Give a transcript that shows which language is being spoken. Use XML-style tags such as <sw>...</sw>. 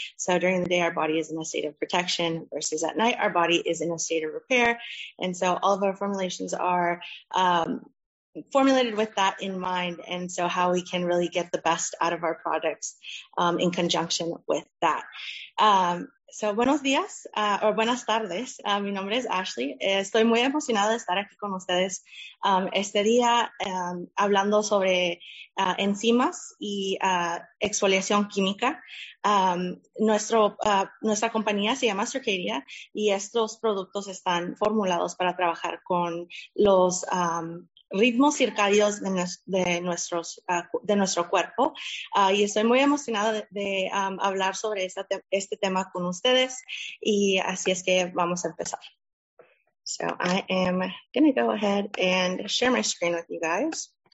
<en>So during the day, our body is in a state of protection versus at night, our body is in a state of repair. And so all of our formulations are formulated with that in mind, and so how we can really get the best out of our products in conjunction with that.</en> <es>So buenos días, or buenas tardes. Mi nombre es Ashley. Estoy muy emocionada de estar aquí con ustedes este día hablando sobre enzimas y exfoliación química. Nuestra compañía se llama Circadia y estos productos están formulados para trabajar con los ritmos circadios de nuestro cuerpo. Y estoy muy emocionada de hablar sobre este tema con ustedes. Y así es que vamos a empezar.</es> <en>So I am going to go ahead and share my screen with you guys.</en>